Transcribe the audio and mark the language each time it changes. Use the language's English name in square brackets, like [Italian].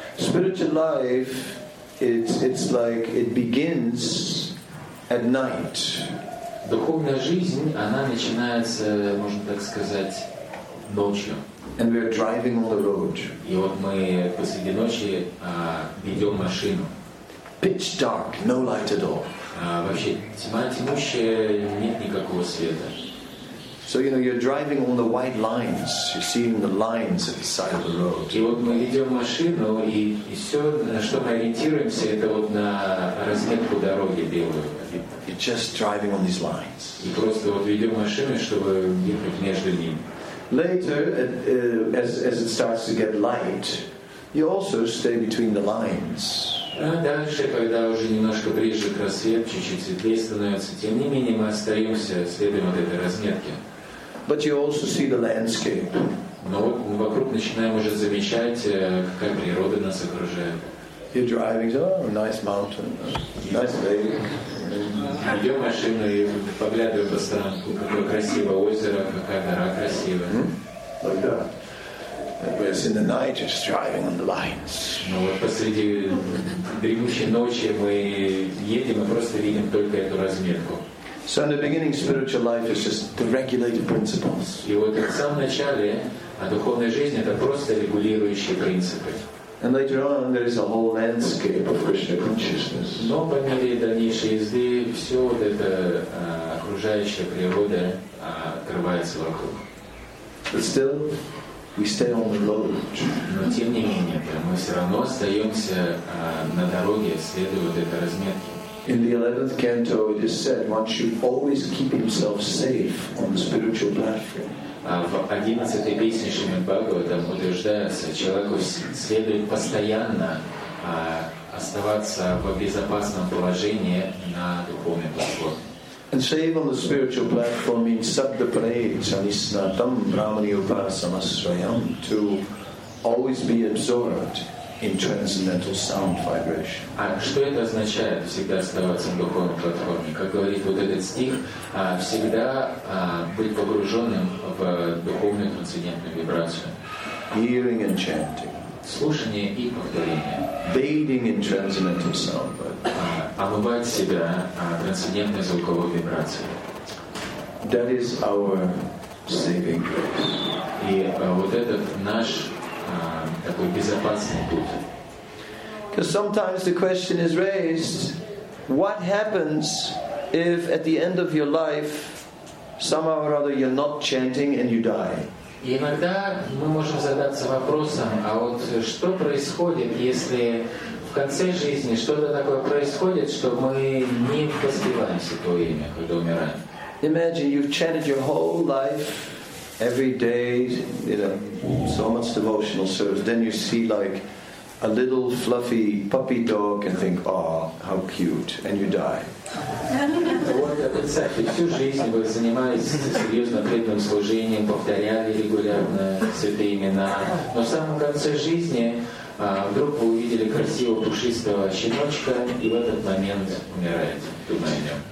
[English] Spiritual life, it's like it begins at night. [Russian] Духовная жизнь, она начинается, можно так сказать, ночью. [English] And we are driving on the road. [Russian] И вот мы посреди ночи ведем машину. [English] Pitch dark, no light at all. [Russian] Вообще тьма тьмущая, нет никакого света. [English] So you know you're driving on the white lines. You're seeing the lines at the side of the road. [Russian] И вот мы ведем машину, и все, на что мы ориентируемся, это вот на разметку дороги белую. [English] You're just driving on these lines. [Russian] И просто вот ведем машину, чтобы ехать между ними. [English] Later, as it starts to get light, you also stay between the lines. [Russian] Дальше, когда уже немножко ближе к рассвету, чуть-чуть светлее становится, тем не менее мы остаемся, следуем вот этой разметке. [English] But you also see the landscape. [Russian] Но вот мы вокруг начинаем уже замечать, какая природа нас окружает. [English] You're driving, oh, nice mountain, nice lake. [Russian] Идем машину и поглядываем по сторонам, какое красивое озеро, какая гора красивая. [English] Whereas in the night you're just driving on the lines. [Russian] Но вот посреди дремущей ночи мы едем и просто видим только эту разметку. [English] So in the beginning, spiritual life is just the regulated principles. [Russian] И вот в самом начале, а духовная жизнь это просто регулирующие принципы. [English] And later on, there is a whole landscape of Krishna consciousness. [Russian] Но по мере дальнейшей езды все вот это окружающая природа открывается вокруг. [English] But still. We stay on the road. [Russian] Но тем не менее, мы все равно остаемся на дороге, следуя вот этой разметке. [English] In the 11th canto, it is said one should always keep himself safe on the spiritual platform. [Russian] В 11-й песне Шримад-Бхагаватам утверждается, человеку следует постоянно оставаться в безопасном положении на духовной платформе. [English] And save on the spiritual platform means [Sanskrit] sabdapraisanisnatam brahmaniupasamasrayam, [English] to always be absorbed in transcendental sound vibration. [Russian] А что это означает, всегда оставаться на духовной платформе? Как говорит вот этот стих, всегда быть погруженным в духовную трансцендентную вибрацию. [English] Hearing and chanting. [Russian] Слушание и повторение. [English] Bathing in transcendental sound vibration. [Russian] Омывать себя трансцендентной звуковой вибрацией. [English] That is our saving grace. [Russian] И вот этот наш такой безопасный путь. [English] Because sometimes the question is raised, what happens if at the end of your life, somehow or other, you're not chanting and you die? [Russian] И иногда мы можем задаться вопросом, а вот что происходит, если в конце жизни что-то такое происходит, что мы не воспеваемся то имя, когда умираем. [English] Imagine you've chanted your whole life, every day, you know, so much devotional service. Then you see like a little fluffy puppy dog and think, oh, how cute, and you die. [Russian] Вот представьте, всю жизнь вы занимались серьезным преданным служением, повторяли регулярно святые имена, но в самом конце жизни вдруг вы увидели красивого пушистого щеночка и в этот момент умираете, думая о нем.